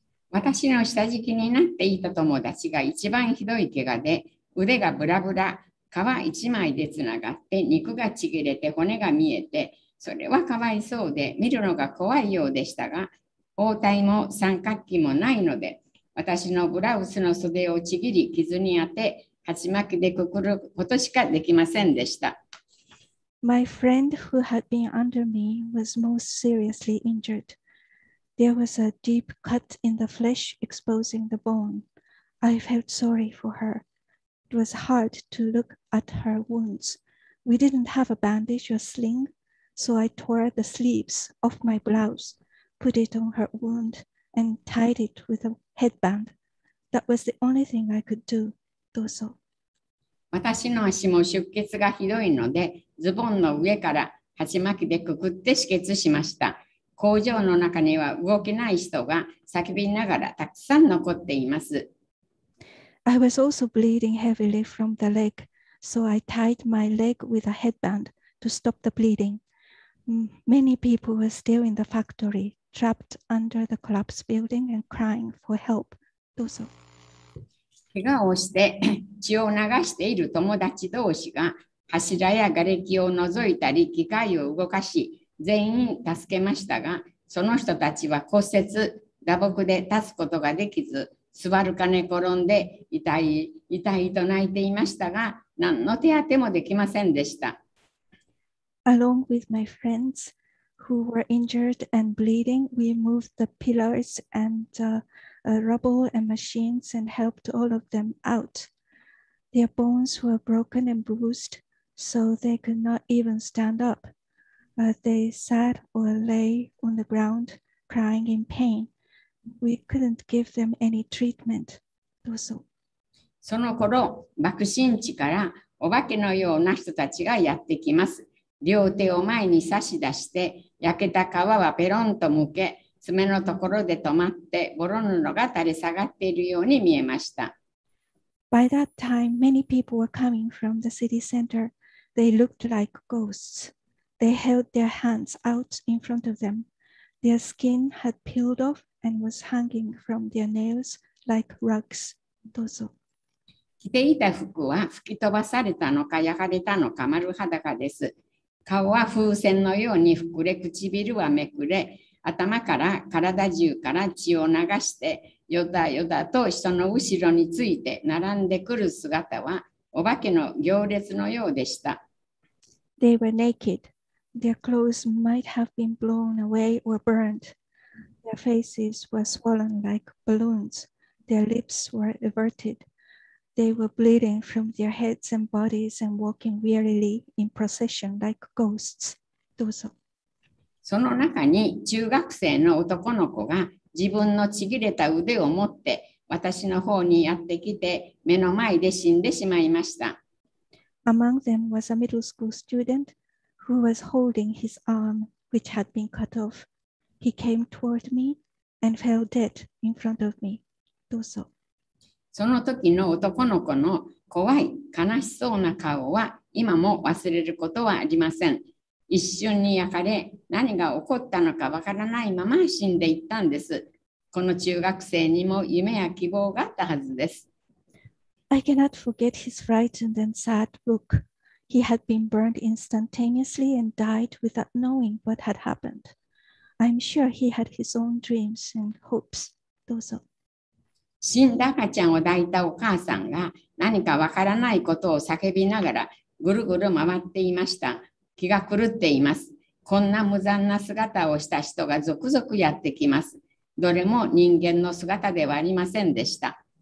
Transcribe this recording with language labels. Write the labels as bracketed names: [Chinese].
[Japanese] 私の下敷きになっていた友達が一番ひどい怪我で、腕がブラブラ、皮一枚でつながって、肉がちぎれて骨が見えて、それはかわいそうで、見るのが怖いようでしたが、包帯も三角巾もないので、私のブラウスの袖をちぎり傷に当て、鉢巻きでくくることしかできませんでした。 [English] My friend who had been under me was most seriously injured. There was a deep cut in the flesh exposing the bone. I felt sorry for her. It was hard to look at her wounds. We didn't have a bandage or sling, so I tore the sleeves off my blouse, put it on her wound, and tied it with a headband. That was the only thing I could do. [Japanese] どうぞ。私の足も出血がひどいので、ズボンの上から鉢巻きでくくって止血しました。工場の中には動けない人が叫びながらたくさん残っています。 [English] I was also bleeding heavily from the leg, so I tied my leg with a headband to stop the bleeding. Many people were still in the factory, trapped under the collapsed building and crying for help. [Japanese] どうぞ。怪我をして血を流している友達同士が柱や瓦礫を覗いたり機械を動かし全員助けましたが、その人たちは骨折、打撲で立つことができず、座るか寝転んで痛いと泣いていましたが、何の手当てもできませんでした。 [English] Along with my friends who were injured and bleeding, we moved the pillars and rubble and machines and helped all of them out. Their bones were broken and bruised, so they could not even stand up. They sat or lay on the ground, crying in pain. We couldn't give them any treatment. [Japanese] どうぞ。その頃、爆心地からお化けのような人たちがやってきます。両手を前に差し出して、焼けた皮はペロンと剥け、爪のところで止まって、ボロ布が垂れ下がっているように見えました。 [English] By that time, many people were coming from the city center. They looked like ghosts. They held their hands out in front of them. Their skin had peeled off and was hanging from their nails like rugs. [Japanese] どうぞ。着ていた服は吹き飛ばされたのか焼かれたのか丸裸です。顔は風船のように膨れ、唇はめくれ、頭から体中から血を流して、よだよだと人の後ろについて並んでくる姿はお化けの行列のようでした。 [English] They were naked. Their clothes might have been blown away or burned. Their faces were swollen like balloons. Their lips were averted. They were bleeding from their heads and bodies and walking wearily in procession like ghosts. [Japanese] どうぞ。その中に中学生の男の子が自分のちぎれた腕を持って私の方にやってきて目の前で死んでしまいました。 [English] Among them was a middle school student. Who was holding his arm, which had been cut off? He came toward me and fell dead in front of me. [Japanese] どうぞ。その時の男の子の怖い、悲しそうな顔は今も忘れることはありません。一瞬に焼かれ、何が起こったのかわからないまま死んでいったんです。この中学生にも夢や希望があったはずです。 [English] I cannot forget his frightened and sad look. He had been burned instantaneously and died without knowing what had happened. I'm sure he had his own dreams and hopes. [Japanese] どうぞ。死んだ赤ちゃんを抱いたお母さんが何かわからないことを叫びながらぐるぐる回っていました。気が狂っています。こんな無残な姿をした人が続々やってきます。どれも人間の姿ではありませんでした。